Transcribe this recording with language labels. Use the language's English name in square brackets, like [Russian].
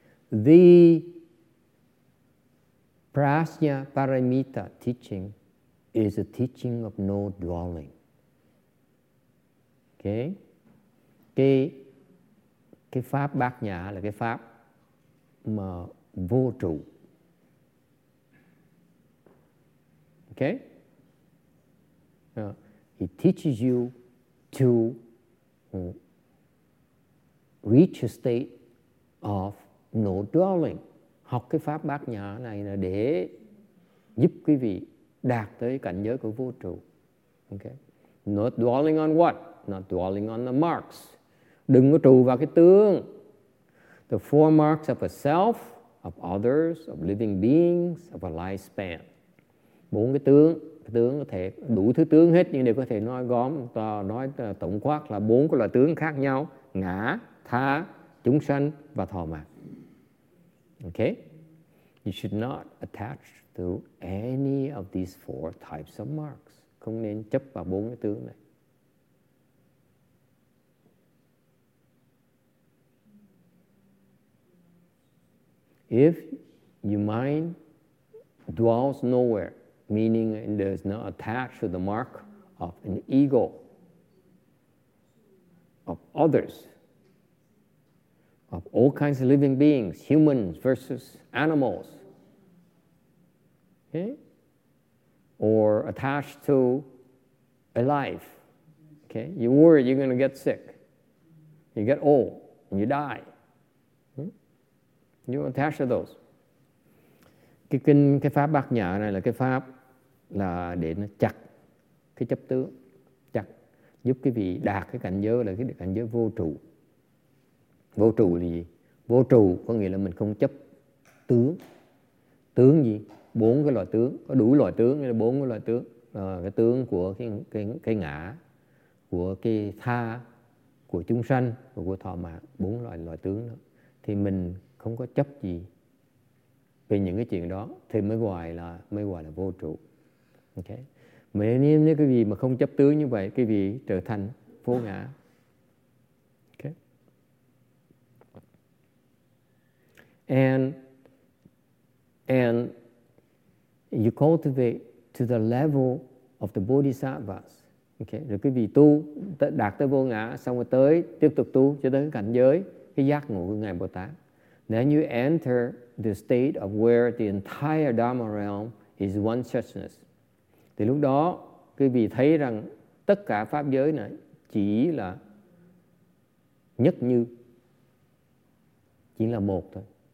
[English] the Prajna Paramita teaching is a teaching of no dwelling. Okay? [Vietnamese] Cái pháp bát nhã là cái pháp mà vô trụ. [English] Okay? He teaches you to reach a state of no dwelling. [Vietnamese] Học cái pháp bát nhã này là để giúp quý vị đạt tới cảnh giới của vô trụ. Okay? [English] Not dwelling on what? Not dwelling on the marks. [Vietnamese] Đừng có trụ vào cái tướng. [English] The four marks of a self, of others, of living beings, of a lifespan. [Vietnamese] Bốn cái tướng. Tướng có thể đủ thứ tướng hết, nhưng đều có thể nói gom, nói tổng quát là bốn cái loại tướng khác nhau: ngã, tha, chúng sanh và thọ mạc. [English] Okay? You should not attach to any of these four types of marks. [Vietnamese] Không nên chấp vào bốn cái tướng này. [English] If your mind dwells nowhere, meaning it does not attach to the mark of an ego, of others, of all kinds of living beings, humans versus animals, okay? Or attached to a life, okay? You worry you're going to get sick, you get old, and you die. You attach to those. [Vietnamese] Cái pháp bát nhã này là cái pháp là để nó chặt cái chấp tướng, chặt giúp cái vị đạt cái cảnh giới là cái cảnh giới vô trụ. Vô trụ là gì? Vô trụ có nghĩa là mình không chấp tướng. Tướng gì? Bốn cái loại tướng, có đủ loại tướng, nghĩa là bốn cái loại tướng, là cái tướng của cái ngã, của cái tha, của chúng sanh và của thọ mạng, bốn loại tướng đó. Thì mình không có chấp gì về những cái chuyện đó thì mới gọi là vô trụ. Okay. Mà nếu như cái gì mà không chấp tướng như vậy, cái gì trở thành vô ngã. [English] Okay. And you cultivate to the level of the bodhisattvas. Okay. [Vietnamese] Rồi cái gì tu đạt tới vô ngã, xong rồi tới tiếp tục tu cho tới cảnh giới cái giác ngộ của ngài Bồ Tát. [English] Then you enter the state of where the entire Dharma realm is one suchness. [Vietnamese] Thì lúc đó, quý vị thấy rằng tất cả pháp giới này chỉ là nhất như, chỉ là một thôi.